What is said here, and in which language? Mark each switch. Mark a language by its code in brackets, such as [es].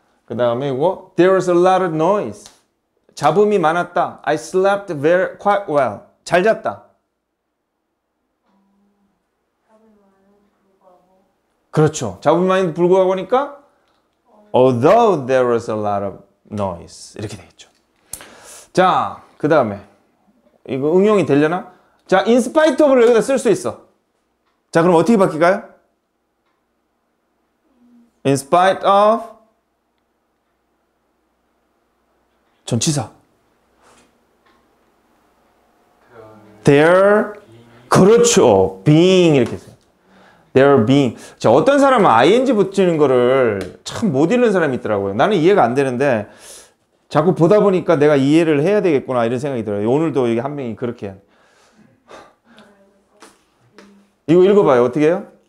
[ko] 그 다음에 이거 [en] There was a lot of noise. [ko] 잡음이 많았다. [en] I slept very quite well. [ko] 잘 잤다. 그렇죠. 잡음이 많이 불구하고 하니까 [en] Although there was a lot of noise. [ko] 이렇게 되겠죠. 자, 그 다음에 이거 응용이 되려나? 자, in spite of를 여기다 쓸 수 있어. 자, 그럼 어떻게 바뀔까요? [en] In spite of [ko] 전치사 there 그렇죠 being 이렇게 써요. there being 자 어떤 사람은 ing 붙이는 거를 참 못 읽는 사람이 있더라고요. 나는 이해가 안 되는데 자꾸 보다 보니까 내가 이해를 해야 되겠구나 이런 생각이 들어요. 오늘도 여기 한 명이 그렇게 이거 읽어봐요. 어떻게 해요?